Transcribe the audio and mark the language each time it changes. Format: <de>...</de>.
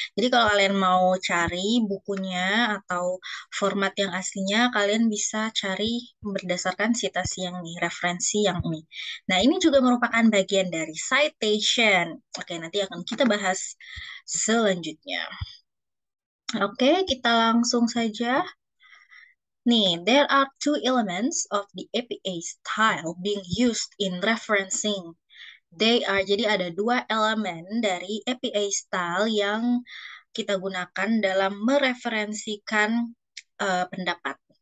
<id>Jadi kalau kalian mau cari bukunya atau format yang aslinya, kalian bisa cari berdasarkan citasi yang ini, referensi yang ini. Nah, ini juga merupakan bagian dari citation. Oke, nanti akan kita bahas selanjutnya. Oke, kita langsung saja.</id> <en>Nih, there are two elements of the APA style being used in referencing. They are,</en> <id>jadi ada dua elemen dari APA style yang kita gunakan dalam mereferensikan pendapat.</id>